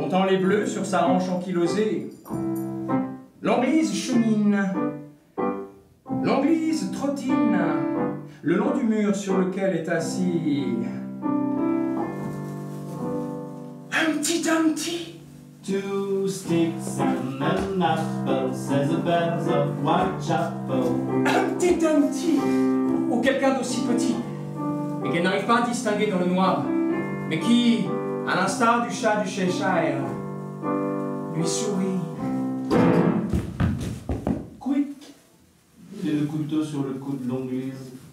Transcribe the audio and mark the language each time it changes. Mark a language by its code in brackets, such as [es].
[fr] Les bleus sur sa hanche ankylosée. L'Anglaise chemine L'anglaise trottine le long du mur sur lequel est assis. [en] Humpty-dumpty. Two sticks and an apple, says the bells of Whitechapel. Humpty-dumpty. [fr] Ou quelqu'un d'aussi petit, et qu'elle n'arrive pas à distinguer dans le noir, mais qui, à l'instar du chat du Cheshire, lui sourit. [en] Quick. [fr] Et le couteau sur le cou de l'onglise.